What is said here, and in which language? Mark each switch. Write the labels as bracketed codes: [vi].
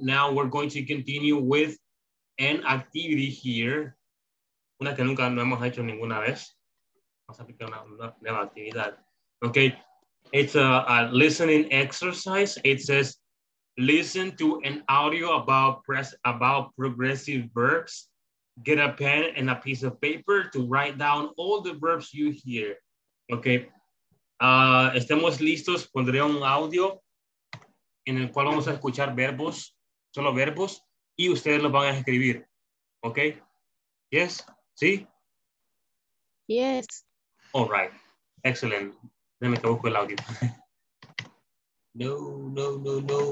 [en] Now we're going to continue with an activity here. [es] Una que nunca no hemos hecho ninguna vez. Vamos a aplicar una nueva actividad. Okay. [en] It's a listening exercise. It says, listen to an audio about progressive verbs get a pen and a piece of paper to write down all the verbs you hear. Okay. [es] Estemos listos, pondré un audio en el cual vamos a escuchar verbos, solo verbos, y ustedes los van a escribir. [en] Okay. Yes. ¿Sí? Yes. All right. Excellent. [es] Déjame que busco el audio. No, no, no, no.